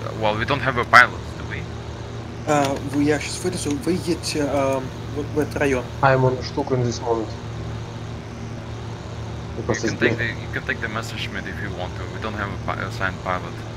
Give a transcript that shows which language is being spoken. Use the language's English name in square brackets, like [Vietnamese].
[English] Well, we don't have a pilot, do we? [Russian] Я сейчас вылезу, выйдете в этот район. [English] I'm on a stuck in this moment. You can take the Messerschmitt if you want to. We don't have a assigned pilot.